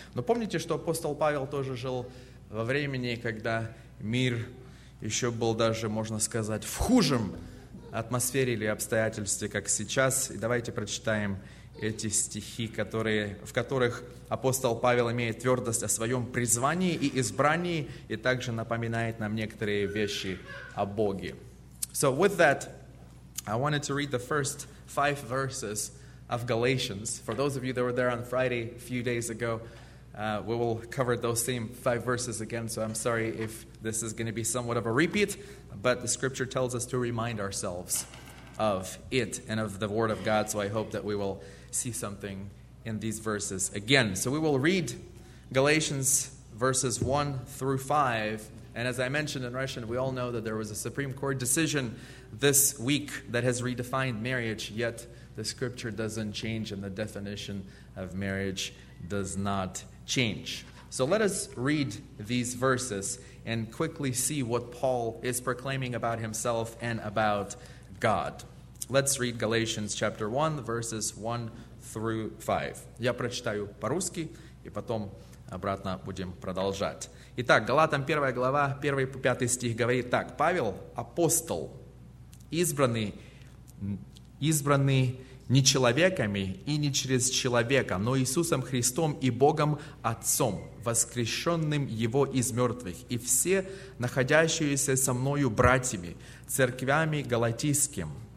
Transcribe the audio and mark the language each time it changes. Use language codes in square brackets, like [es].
[ru] Но помните, что апостол Павел тоже жил во времени, когда мир еще был даже, можно сказать, в худшем атмосфере или обстоятельстве, как сейчас. И давайте прочитаем эти стихи, в которых апостол Павел имеет твердость о своем призвании и избрании, и также напоминает нам некоторые вещи о Боге. [en] So with that, I wanted to read the first 5 verses of Galatians. For those of you that were there on Friday a few days ago, we will cover those same 5 verses again, so I'm sorry if this is going to be somewhat of a repeat, but the scripture tells us to remind ourselves of it and of the word of God, so I hope that we will see something in these verses again. So we will read Galatians verses 1 through 5, and as I mentioned in Russian, we all know that there was a Supreme Court decision this week that has redefined marriage, yet the scripture doesn't change and the definition of marriage does not change. So let us read these verses and quickly see what Paul is proclaiming about himself and about God. Let's read Galatians chapter 1, verses 1 through 5. [ru] Я прочитаю по-русски, и потом обратно будем продолжать. Итак, Галатам 1 глава, 1 по 5 стих говорит так. Павел, апостол, избранный не человеками и не через человека, но Иисусом Христом и Богом Отцом, воскрешенным Его из мертвых, и все находящиеся со Мною братьями, церквями галатийским.